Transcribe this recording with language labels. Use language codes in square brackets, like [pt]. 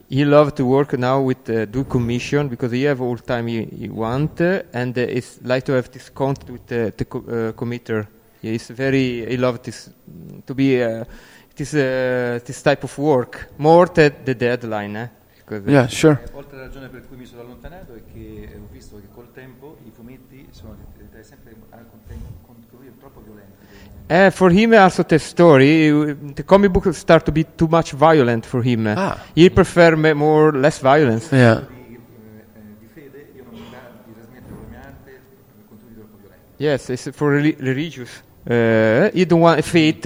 [en] He loves to work now with do commission because he have all time he want and he's like to have this contact with the committer. He's very he loves this to be this type of work more than the deadline. Yeah, sure. [it] Oltre alla ragione per cui mi sono allontanato è che ho visto che col tempo I fumetti sono sempre troppo violenti. [en] For him also the story, the comic book start to be too much violent for him. Ah. He prefer more less violence. Yeah. Yes, it's for religious. He don't want faith.